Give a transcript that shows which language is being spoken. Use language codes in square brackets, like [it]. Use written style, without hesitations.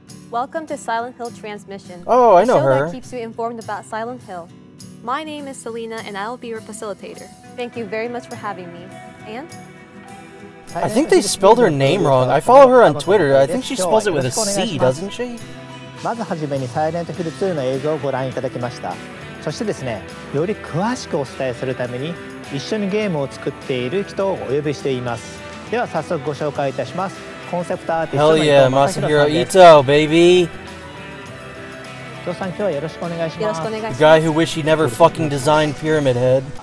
[en] Welcome to Silent Hill Transmission. Oh, I know her. The show that keeps you informed about Silent Hill. My name is Selena, and I'll be your facilitator. Thank you very much for having me. And? I think they spelled her name wrong. I follow her on Twitter. I think she spells it with a C, doesn't she? [ja] まず初めにサイレントヒル2の映像をご覧いただきました。そしてですね、より詳しくお伝えするために一緒にゲームを作っている人をお呼びしています。では早速ご紹介いたします。 [en] Hell yeah, Masahiro Ito, baby! The guy who wished he never fucking designed Pyramid Head.